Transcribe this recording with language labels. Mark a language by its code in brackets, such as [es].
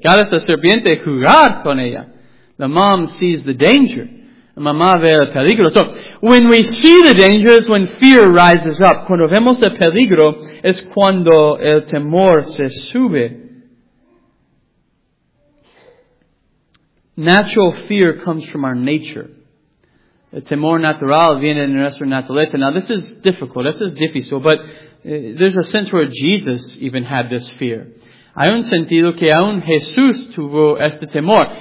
[es] Gata la serpiente jugar con ella. [en] The mom sees the danger. [es] La mamá ve el peligro. [en] So, when we see the danger is when fear rises up. [es] Cuando vemos el peligro es cuando el temor se sube. [en] Natural fear comes from our nature. [es] El temor natural viene de nuestra naturaleza. [en] Now, this is difficult. This is difícil. But there's a sense where Jesus even had this fear. [es] Hay un sentido que aún Jesús tuvo este temor.